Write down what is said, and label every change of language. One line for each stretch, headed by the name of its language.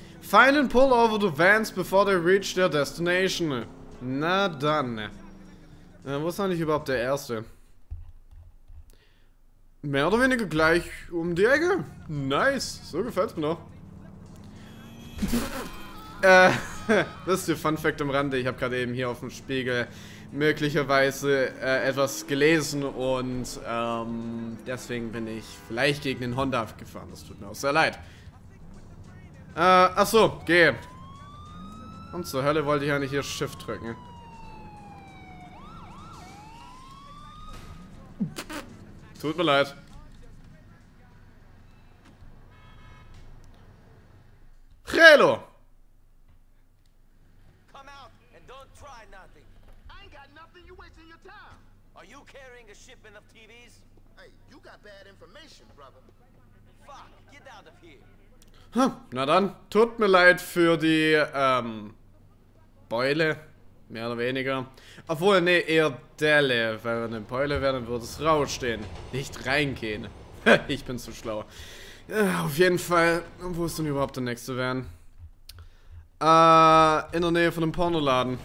English: Find and pull over the vans before they reach their destination.
German: Na dann. Wo ist eigentlich überhaupt der erste? Mehr oder weniger gleich um die Ecke. Nice, so gefällt's mir noch. das ist der Fun Fact am Rande. Ich habe gerade eben hier auf dem Spiegel möglicherweise etwas gelesen und deswegen bin ich vielleicht gegen den Honda gefahren. Das tut mir auch sehr leid. Ach so, geh. Und zur Hölle wollte ich ja nicht hier Shift drücken. Tut mir leid.
English: Hello. Come out and don't try nothing. I ain't got nothing, you wasting your time. Are you carrying a shipment of TVs? Hey, you got bad information, brother. Fuck, get out of here.
German: Na dann, tut mir leid für die Beule, mehr oder weniger. Obwohl, nee, eher Delle, weil wenn eine Beule wäre, dann würde es rausstehen. Nicht reingehen. Ich bin zu schlau. Ja, auf jeden Fall, wo ist denn überhaupt der nächste Van? In der Nähe von dem Pornoladen.